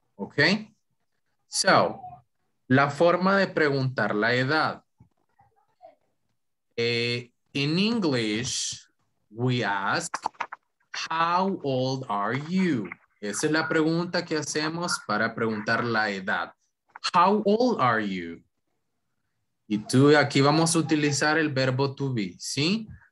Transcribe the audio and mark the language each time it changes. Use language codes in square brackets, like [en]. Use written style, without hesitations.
[es] Okay, so, la forma de preguntar la edad. [en] In English, we ask, how old are you? [es] Esa es la pregunta que hacemos para preguntar la edad. [en] How old are you? [es] Y tú, aquí vamos a utilizar el verbo to be, ¿sí?